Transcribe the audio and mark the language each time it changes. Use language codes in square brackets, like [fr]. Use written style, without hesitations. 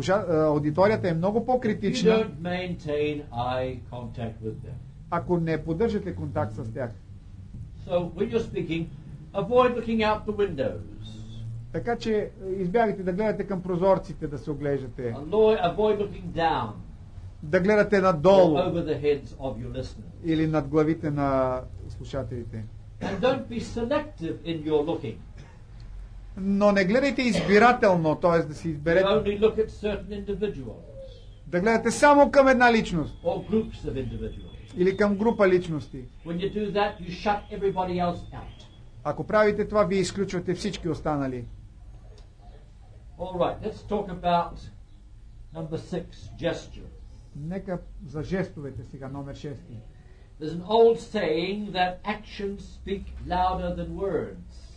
[bg] Аудиторията е много по-критична. [en] You don't maintain eye contact with them. [bg] Ако не поддържате контакт с тях. [en] So, when you're speaking, avoid looking out the windows. [bg] Така че избягайте да гледате към прозорците, да се оглеждате. [en] Avoid looking down. [bg] Да гледате надолу. [en] Over the heads of your listeners. [bg] Или над главите на слушателите. [en] And don't be selective in your looking. [bg] Но не гледайте избирателно, т.е. да си изберете. [en] Only look at certain individuals. [bg] Да гледате само към една личност. [en] Or groups of individuals. [bg] Или към група личности. [en] When you do that, you shut everybody else out. [bg] Ако правите това, вие изключвате всички останали. [en] All right, let's talk about number six, gesture. [bg] Нека за жестовете сега, номер 6. [en] There's an old saying that actions speak louder than words.